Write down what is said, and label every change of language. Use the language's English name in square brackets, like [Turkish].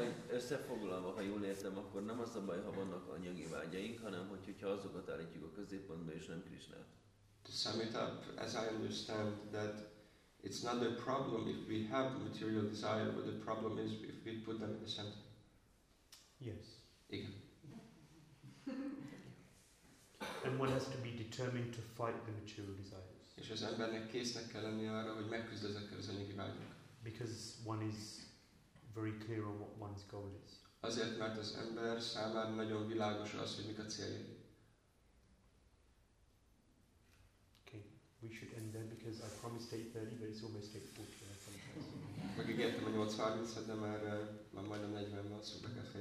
[Hungarian] Összefoglalva, ha jól értem, akkor nem az a baj, ha vannak anyagi vágyaink, hanem hogyha azokat állítjuk a középpontba, és nem Krisnát. [English] To sum it up, as I understand that it's not a problem if we have material desire, but the problem is if we put them in the center. Yes. [Hungarian] Igen. [English] And one has to be determined to fight the material desires. [Hungarian] És az embernek késznek kell lenni arra, hogy megküzd ezekkel az anyagi vágyakkal. [English] Because one is very clear on what one's goal is. [Hungarian] Azért, mert az ember számára nagyon világos az, hogy mik a célja. [English] Okay, we should end there because I promised 8:30, but it's almost 8:40. [Hungarian] Megígértem a 8:30-et, de már majdnem 40 van, szóba kell fejezni.